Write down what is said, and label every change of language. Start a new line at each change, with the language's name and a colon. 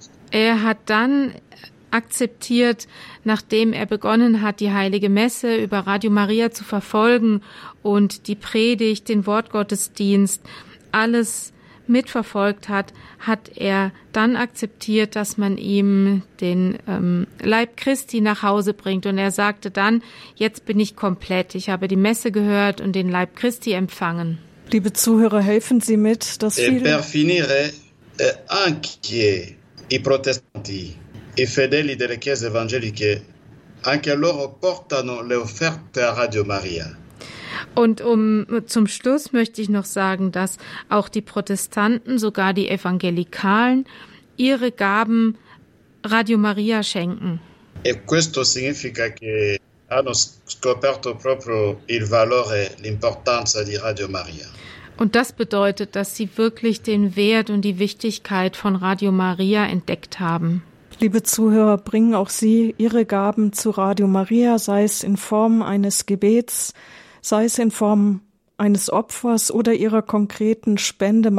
German: Er hat dann akzeptiert, nachdem er begonnen hat, die Heilige Messe über Radio Maria zu verfolgen und die Predigt, den Wortgottesdienst, alles mitverfolgt hat, hat er dann akzeptiert, dass man ihm den Leib Christi nach Hause bringt. Und er sagte dann, jetzt bin ich komplett. Ich habe die Messe gehört und den Leib Christi empfangen. Liebe Zuhörer, helfen Sie mit, dass viele...
Italian: Per finire, anche i protestanti, i fedeli delle chiese evangeliche, anche loro portano le offerte a Radio Maria.
German: Und zum Schluss möchte ich noch sagen, dass auch die Protestanten, sogar die Evangelikalen, ihre Gaben Radio Maria schenken.
Italian: E questo significa che hanno scoperto proprio il valore, l'importanza di Radio Maria.
German: Und das bedeutet, dass sie wirklich den Wert und die Wichtigkeit von Radio Maria entdeckt haben. Liebe Zuhörer, bringen auch Sie Ihre Gaben zu Radio Maria, sei es in Form eines Gebets, sei es in Form eines Opfers oder Ihrer konkreten Spende.